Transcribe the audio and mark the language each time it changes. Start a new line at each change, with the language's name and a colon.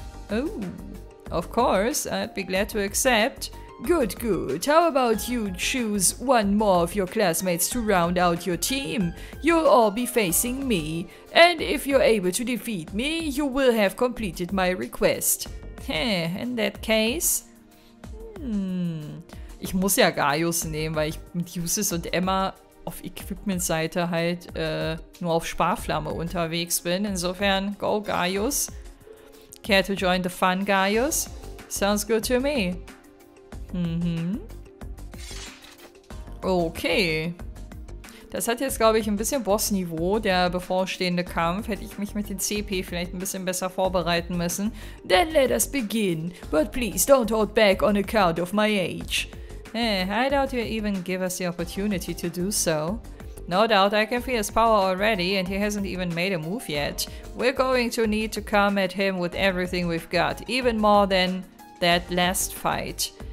English: Oh, of course, I'd be glad to accept. Good, good. How about you choose one more of your classmates to round out your team? You'll all be facing me. And if you're able to defeat me, you will have completed my request. Heh, in that case...
German: Ich muss ja Gaius nehmen, weil ich mit Usus und Emma auf Equipment-Seite halt nur auf Sparflamme unterwegs bin. Insofern,
English: go Gaius. Care to join the fun, Gaius? Sounds good to me. Mhm. Okay.
German: Das hat jetzt, glaube ich, ein bisschen Boss-Niveau, der bevorstehende Kampf. Hätte ich mich mit den CP vielleicht ein bisschen besser vorbereiten müssen.
English: Then let us begin. But please don't hold back on account of my age. Hey, I doubt you even give us the opportunity to do so. No doubt I can feel his power already and he hasn't even made a move yet. We're going to need to come at him with everything we've got, even more than that last fight.